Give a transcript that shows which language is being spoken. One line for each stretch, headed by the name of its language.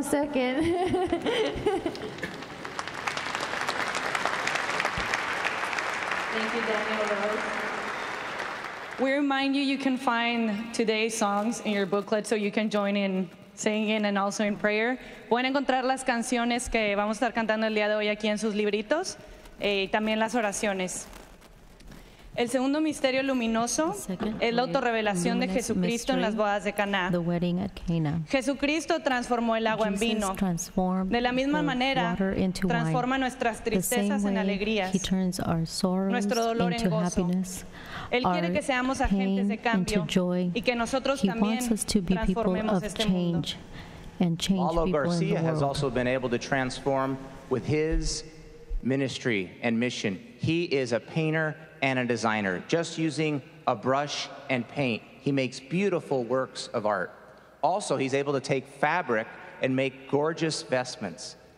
English: Thank you, Daniel Rose. We remind you can find today's songs in your booklet so you can join in singing and also in prayer.
Spanish: Pueden encontrar las canciones que vamos a estar cantando el día de hoy aquí en sus libritos. También las oraciones. El segundo misterio luminoso es la autorrevelación de Jesucristo en las bodas de Caná.
English: The wedding at Cana.
Spanish: Jesucristo transformó el agua en vino. De la misma manera, transforma nuestras tristezas en alegrías, nuestro dolor en gozo.
English: Happiness.
Spanish: Él quiere que seamos agentes de cambio y que nosotros también transformemos este mundo.
English: Paulo García has also been able to transform with his ministry and mission. He is a painter and a designer. Just using a brush and paint, he makes beautiful works of art. Also, he's able to take fabric and make gorgeous vestments.